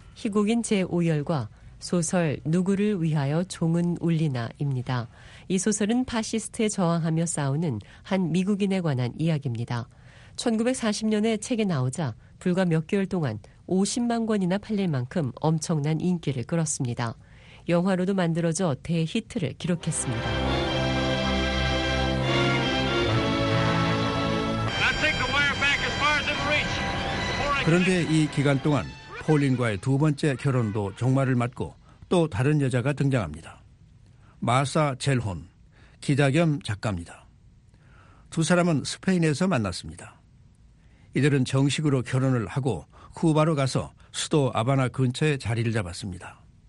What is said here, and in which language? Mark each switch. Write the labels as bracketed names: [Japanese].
[Korean] 희곡인 제5열과 소설 누구를 위하여 종은 울리나입니다. 이 소설은 파시스트에 저항하며 싸우는 한 미국인에 관한 이야기입니다. 1940년에 책이 나오자 불과 몇 개월 동안 50만 권이나 팔릴 만큼 엄청난 인기를 끌었습니다. 영화로도 만들어져 대히트를 기록했습니다. [English] I take the wire back as far as it reach. [Korean] 그런데 이 기간 동안 폴린과의 두 번째 결혼도 종말을 맞고 또 다른 여자가 등장합니다. 마사 젤혼, 기자 겸 작가입니다. 두 사람은 스페인에서 만났습니다. 이들은 정식으로 결혼을 하고 쿠바로 가서 수도 아바나 근처에 자리를 잡았습니다.